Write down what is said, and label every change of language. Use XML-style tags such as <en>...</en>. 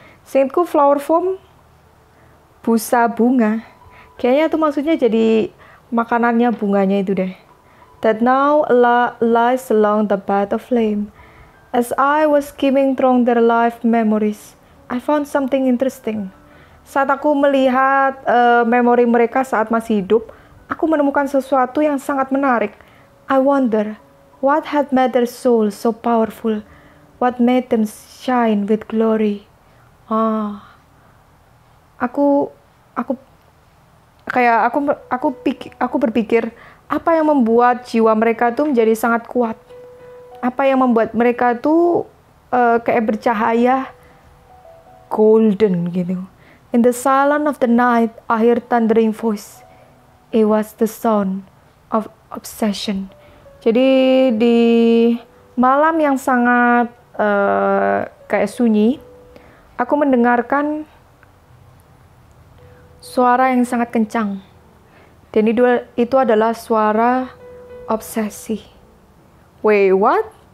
<id>Seingatku</id> <en>flower foam</en> <id>busa bunga. Kayaknya itu maksudnya jadi makanannya bunganya itu deh.</id> <en>That now lies along the path of flame. As I was skimming through their life memories, I found something interesting.</en> <id>Saat aku melihat memori mereka saat masih hidup, aku menemukan sesuatu yang sangat menarik.</id> <en>I wonder, what had made their soul so powerful? What made them shine with glory?</en> <id>Aku berpikir apa yang membuat jiwa mereka tuh menjadi sangat kuat, apa yang membuat mereka tuh kayak bercahaya golden gitu.</id> <en>In the silence of the night, I hear thundering voice. It was the sound of obsession.</en> <id>Jadi di malam yang sangat kayak sunyi, aku mendengarkan suara yang sangat kencang. Dan itu adalah suara obsesi.</id> <en>Wait, what?</en>